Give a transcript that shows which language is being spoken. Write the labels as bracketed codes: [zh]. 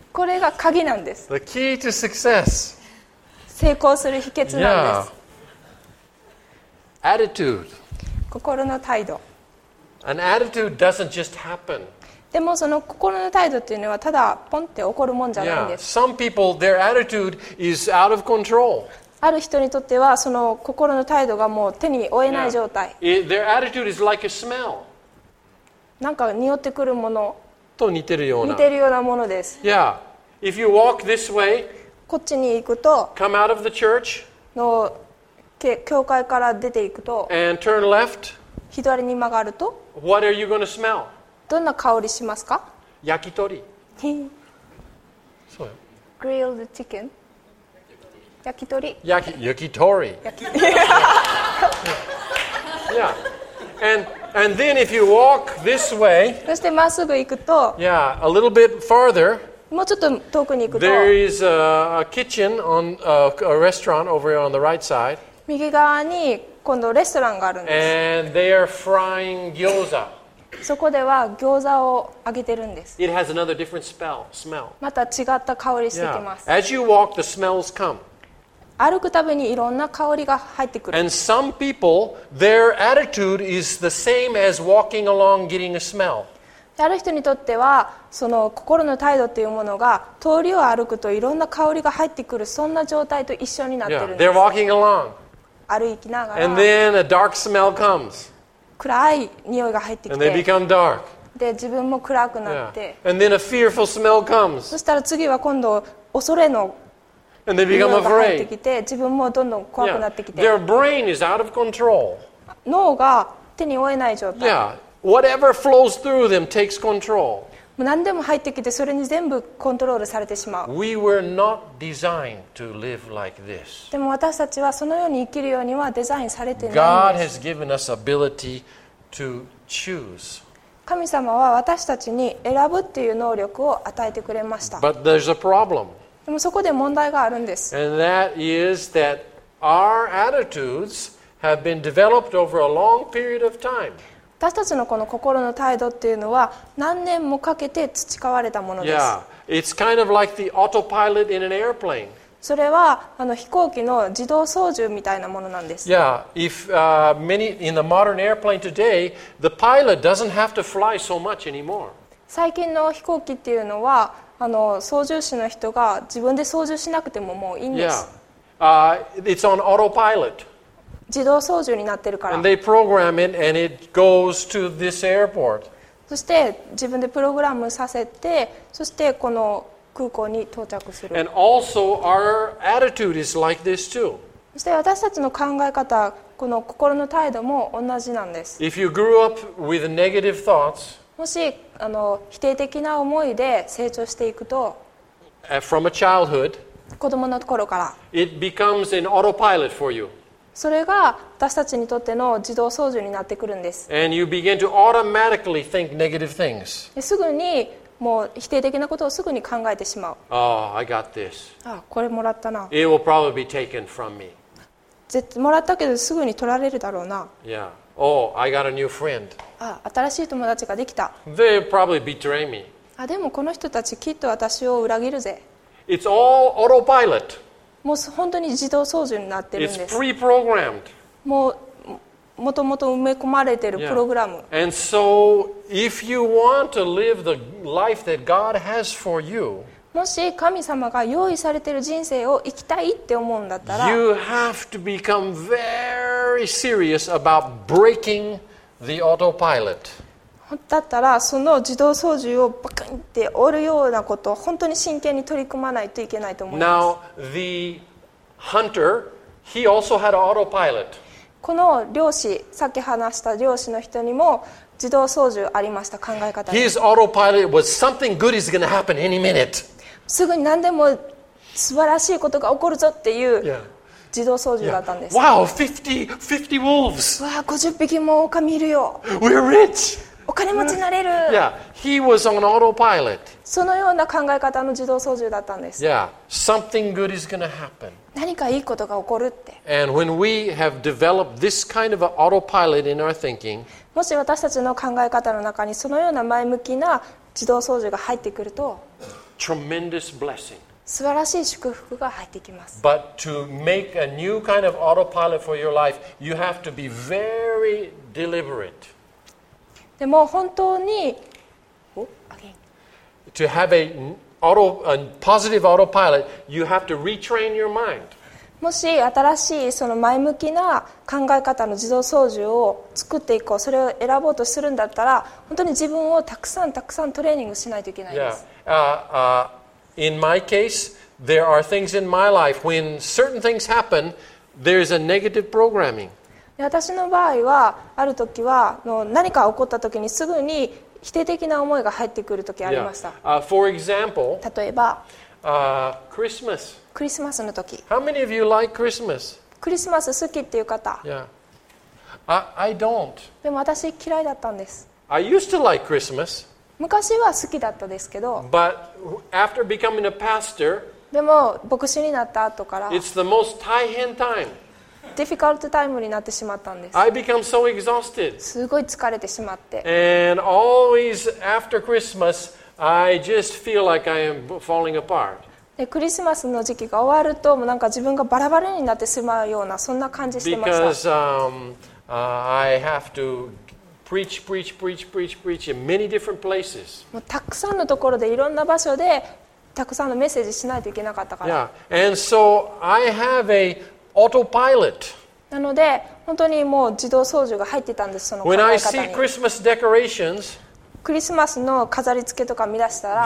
[ja] これが鍵なんです。 [en] The key to success. [ja] 成功する秘訣なんです。 [en] Yeah. Attitude. [ja] 心の態度。 [en] An attitude doesn't just happen. [ja] でもその心の態度っていうのはただポンって起こるもんじゃないんです。 [en] Yeah. Some people, their attitude is out of control. [ja] ある人にとってはその心の態度がもう手に負えない状態。 [en] Yeah. Their attitude is like a smell. [ja] なんか匂ってくるもの。と似てるような似てるようなものです。 [en] Yeah. If you walk this way, [ja] こっちに行くと、 [en] come out of the church, [ja] の教会から出ていくと、 [en] and turn left, [ja] 左に曲がると、 [en] what are you gonna smell? [ja] どんな香りしますか？焼き鳥。そう。 [en] Grilled chicken. 焼き鳥。 [ja] 焼き鳥。 [en] yeah. And then if you walk this way, [ja] そしてまっすぐ行くと、 [en] yeah, a little bit farther, [ja] もうちょっと遠くに行くと、 [en] there is a kitchen on a restaurant over on the right side. [ja] 右側に今度レストランがあるんです。 [en] And they are frying gyoza. [ja] そこでは餃子を揚げてるんです。 [en] It has another different smell. [ja] また違った香りしてきます。 [en] Yeah. As you walk, the smells come. [ja] 歩くたびにいろんな香りが入ってくる。 [en] And some people, their attitude is the same as walking along getting a smell. [ja] ある人にとっては、その心の態度というものが、通りを歩くといろんな香りが入ってくる、そんな状態と一緒になってるんです。 [en] Yeah, they're walking along. [ja] 歩きながら。 [en] And then a dark smell comes. [ja] 暗い匂いが入ってきて。 [en] And they become dark. [ja] で、自分も暗くなって。 [en] Yeah. And then a fearful smell comes. [ja] そしたら次は今度、恐れの。 [en] And they become afraid. [ja] 入ってきて自分もどんどん怖くなってきて、 [en] yeah. Their brain is out of control. [ja] 脳が手に負えない状態。 [en] Yeah. Whatever flows through them takes control. [ja] 何でも入ってきてそれに全部コントロールされてしまう。 [en] We were not designed to live like this. [ja] でも私たちはそのように生きるようにはデザインされてないんです。 [en] God has given us ability to choose. [ja] 神様は私たちに選ぶっていう能力を与えてくれました。 [en] But there's a problem. [ja] でもそこで問題があるんです。 [en] And that is that our attitudes have been developed over a long period of time. [ja] 私たちのこの心の態度っていうのは何年もかけて培われたものです。 [en] Yeah, it's kind of like the autopilot in an airplane. [ja] それはあの飛行機の自動操縦みたいなものなんです。 [en] Yeah, if many in the modern airplane today, the pilot doesn't have to fly so much anymore. [ja] 最近の飛行機っていうのは。あの操縦士の人が自分で操縦しなくてももういいんです。 [en] Yeah. It's on autopilot. [ja] 自動操縦になってるから。 [en] And they program it and it goes to this airport. [ja] そして自分でプログラムさせて、そしてこの空港に到着する。 [en] And also our attitude is like this too. [ja] そして私たちの考え方、この心の態度も同じなんです。 [en] If you grew up with negative thoughts, [ja] もしあの否定的な思いで成長していくと、 [en] from a childhood, [ja] 子供の頃から、 [en] it becomes an autopilot for you. [ja] それが私たちにとっての自動操縦になってくるんです。 [en] And you begin to automatically think negative things. [ja] すぐにもう否定的なことをすぐに考えてしまう。 [en] Oh, I got this. [ja] あ、これもらったな。 [en] It will probably be taken from me. [ja] 絶対もらったけどすぐに取られるだろうな。 [en] Yeah. Oh, I got a new friend. [ja] あ、新しい友達ができた。 [en] They'll probably betray me. [ja] あ、でもこの人たちきっと私を裏切るぜ。 [en] It's all autopilot. [ja] もう本当に自動操縦になってるんです。 [en] It's pre-programmed. [ja] もうもともと埋め込まれているプログラム。 [en] Yeah. And so, if you want to live the life that God has for you, [ja] もし神様が用意されている人生を生きたいって思うんだったら、 [en] you have to become very serious about breaking the autopilot. [ja] だったらその自動操縦をバカンって折るようなことを本当に真剣に取り組まないといけないと思います。 [en] Now, the hunter, he also had an autopilot. [ja] この漁師、さっき話した漁師の人にも自動操縦ありました、考え方に。 [en] His autopilot was something good is going to happen any minute. [ja] すぐに何でも素晴らしいことが起こるぞっていう自動操縦だったんです。 [en] Yeah. Yeah. Wow, 50 wolves! [ja] わー、50匹も狼いるよ。 [en] We're rich! [ja] お金持ちになれる。 [en] Yeah, he was on autopilot. [ja] そのような考え方の自動操縦だったんです。 [en] Yeah, something good is going to happen. [ja] 何かいいことが起こるって。 [en] And when we have developed this kind of an autopilot in our thinking, [ja] もし私たちの考え方の中にそのような前向きな自動操縦が入ってくると、 [en] tremendous blessing. [ja] 素晴らしい祝福が入ってきます。 [en] But to make a new kind of autopilot for your life, you have to be very deliberate. [ja] でも本当に、 [en] To have a positive autopilot, you have to retrain your mind. [ja] もし新しいその前向きな考え方の自動操縦を作っていこう、それを選ぼうとするんだったら、本当に自分をたくさんたくさんトレーニングしないといけないです。 [en] Yeah. In my case, there are things in my life when certain things happen, there is a negative programming. [ja] 私の場合は、ある時は何か起こった時にすぐに否定的な思いが入ってくる時ありました。 [en] Yeah. For example, [ja] 例えば、 [en] Christmas. [ja] クリスマスの時。 [en] How many of you like Christmas? [ja] クリスマス好きっていう方。 [en] Yeah. I don't. [ja] でも私嫌いだったんです。 [en] I used to like Christmas. [ja] 昔は好きだったですけど。 [en] But after becoming a pastor, [ja] でも牧師になった後から、 [en] It's the most [ja] 大変 [en] time. Difficult time [ja] になってしまったんです。 [en] I become so exhausted. [ja] すごい疲れてしまって。 [en] And always after Christmas, I just feel like I am falling apart. [ja] で、クリスマスの時期が終わると、なんか自分がバラバラになってしまうような、そんな感じしてました。 [en] Because I have to preach in many different places. [ja] もうたくさんのところで、いろんな場所で、たくさんのメッセージしないといけなかったから。 [en] Yeah. And so I have aAutopilot. [ja] なので本当にもう自動操縦が入ってたんです、その考え方に。 [en] When I see Christmas decorations, [ja] クリスマスの飾り付けとか見出したら、